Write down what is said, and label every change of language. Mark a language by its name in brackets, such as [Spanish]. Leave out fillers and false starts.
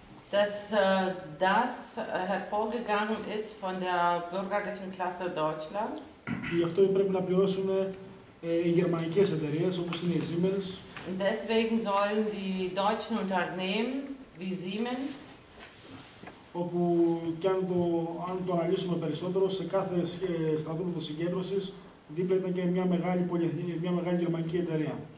[German] Das hervorgegangen ist von der bürgerlichen Klasse Deutschlands. [Greek] Γι' αυτό πρέπει να πληρώσουν οι γερμανικές εταιρείες, όπως είναι η Siemens. [German] Deswegen sollen die deutschen Unternehmen wie Siemens. [Greek] Όπου και αν το αναλύσουμε περισσότερο, σε κάθε στρατόπεδο συγκέντρωσης, δίπλα ήταν και μια μεγάλη γερμανική εταιρεία.